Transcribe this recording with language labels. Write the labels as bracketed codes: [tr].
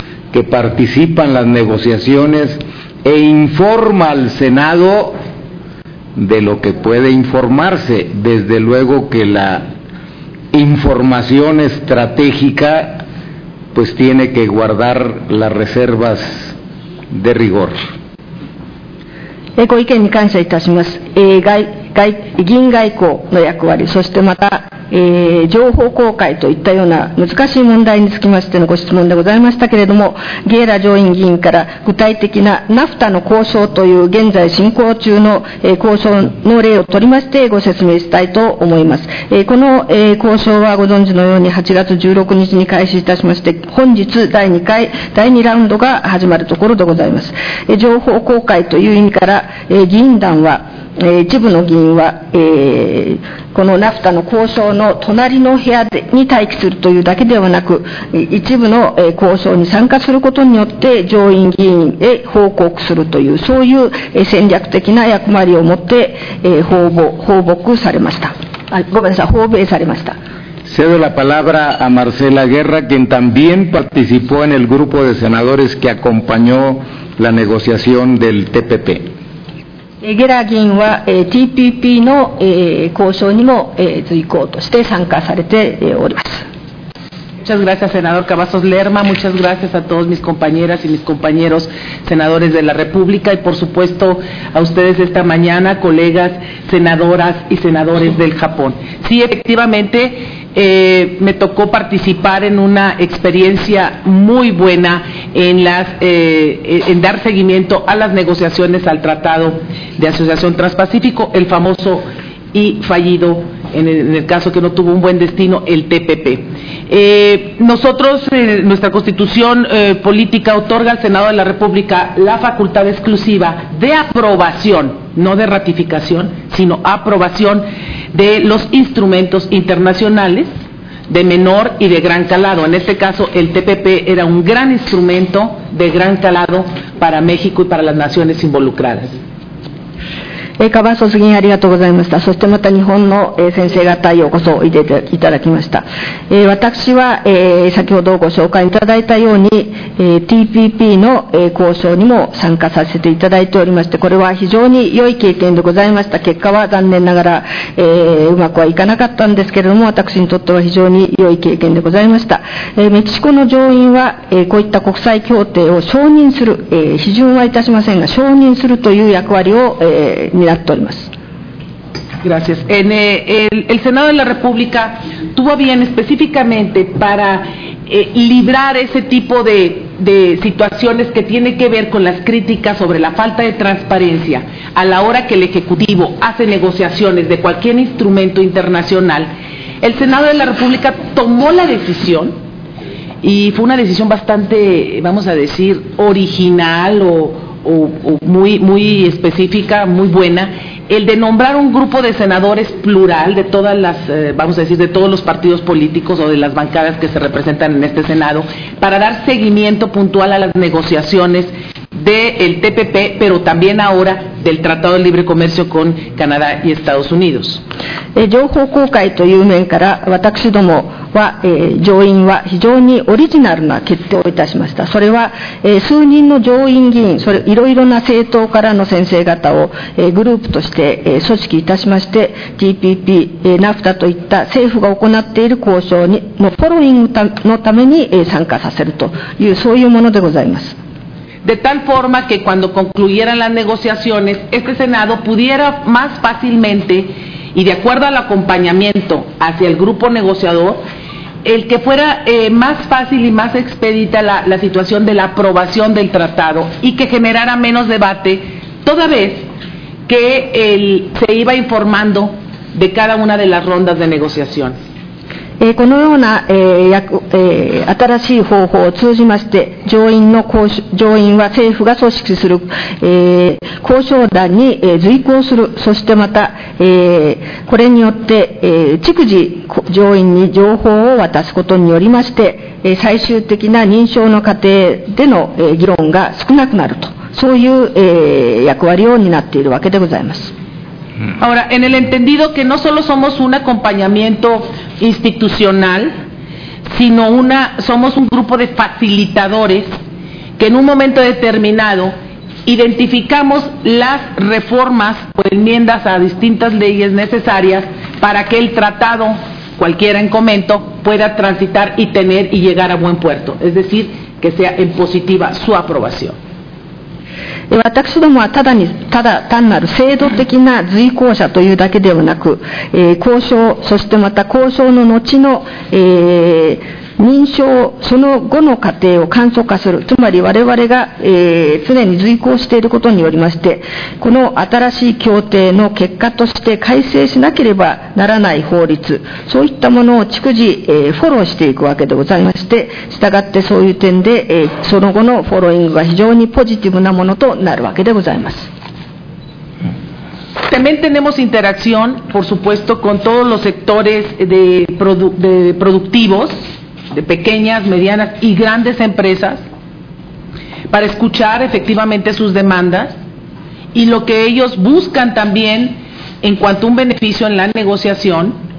[es] Que participan las negociaciones e informa al Senado de lo que puede informarse. Desde luego que la información estratégica, pues tiene que guardar las reservas de rigor. [ja] ご意見に感謝いたします。議員外交の役割、そしてまた情報公開といったような難しい問題につきましてのご質問でございましたけれども、ゲーラ上院議員から具体的なNAFTAの交渉という現在進行中の交渉の例を取りましてご説明したいと思います。この交渉はご存知のように8月16日に開始いたしまして、本日第2ラウンドが始まるところでございます。情報公開という意味から議員団は、一部の議員は、このNAFTAの交渉の隣の部屋に待機するというだけではなく、一部の交渉に参加することによって上院議員へ報告するという、そういう戦略的な役割を持って訪米されました。ごめんなさい、訪米されました。 [es] Cedo la palabra a Marcela Guerra, quien también participó en el grupo de senadores que acompañó la negociación del TPP. [ja] ゲラ議員は TPP の交渉にも随行として参加されております。 [es] Muchas gracias, senador Cavazos Lerma. Muchas gracias a todos mis compañeras y mis compañeros senadores de la República y, por supuesto, a ustedes esta mañana, colegas senadoras y senadores del Japón. Sí, efectivamente, me tocó participar en una experiencia muy buena en en dar seguimiento a las negociaciones al Tratado de Asociación Transpacífico, el famoso y fallido, en el caso que no tuvo un buen destino, el TPP. Nuestra Constitución política otorga al Senado de la República la facultad exclusiva de aprobación, no de ratificación, sino aprobación de los instrumentos internacionales de menor y de gran calado. En este caso, el TPP era un gran instrumento de gran calado para México y para las naciones involucradas. [ja] Cavazos議員ありがとうございました。そしてまた日本の先生方へようこそおいでいただきました。私は先ほどご紹介いただいたように TPP の交渉にも参加させていただいておりまして、これは非常に良い経験でございました。結果は残念ながらうまくはいかなかったんですけれども、私にとっては非常に良い経験でございました。メキシコの上院はこういった国際協定を承認する、批准はいたしませんが承認するという役割を担っております。 [es] Gracias. El Senado de la República tuvo bien específicamente para librar ese tipo de situaciones que tiene que ver con las críticas sobre la falta de transparencia a la hora que el Ejecutivo hace negociaciones de cualquier instrumento internacional. El Senado de la República tomó la decisión, y fue una decisión bastante, vamos a decir, original o muy, muy específica, muy buena, el de nombrar un grupo de senadores plural de todas las, vamos a decir, de todos los partidos políticos o de las bancadas que se representan en este Senado, para dar seguimiento puntual a las negociaciones del TPP, pero también ahora del Tratado de Libre Comercio con Canadá y Estados Unidos. [ja] 情報公開という面から、私どもは、上院は非常にオリジナルな決定をいたしました。それは、数人の上院議員、それいろいろな政党からの先生方を、グループとして、組織いたしまして、TPP、NAFTA といった政府が行っている交渉にのフォローイングのために、参加させるという、そういうものでございます。 [es] De tal forma que cuando concluyeran las negociaciones, este Senado pudiera más fácilmente, y de acuerdo al acompañamiento hacia el grupo negociador, el que fuera más fácil y más expedita la situación de la aprobación del tratado y que generara menos debate, toda vez que se iba informando de cada una de las rondas de negociación. [ja] このような新しい方法を通じまして、上院は政府が組織する交渉団に随行する、そしてまたこれによって逐次上院に情報を渡すことによりまして、最終的な認証の過程での議論が少なくなると、そういう役割を担っているわけでございます。 [es] Ahora, en el entendido que no solo somos un acompañamiento institucional, sino somos un grupo de facilitadores que en un momento determinado identificamos las reformas o enmiendas a distintas leyes necesarias para que el tratado, cualquiera en comento, pueda transitar y tener y llegar a buen puerto, es decir, que sea en positiva su aprobación. [ja] 私どもはただ単なる制度的な随行者というだけではなく、交渉、そしてまた交渉の後の、認証、その後の過程を簡素化する、つまり我々が、常に随行していることによりまして、この新しい協定の結果として改正しなければならない法律、そういったものを逐次、フォローしていくわけでございまして、したがってそういう点で、その後のフォローイングが非常にポジティブなものとなるわけでございます。 [es] También tenemos interacción, por supuesto, con todos los sectores de productivos. De pequeñas, medianas y grandes empresas, para escuchar efectivamente sus demandas y lo que ellos buscan también en cuanto a un beneficio en la negociación.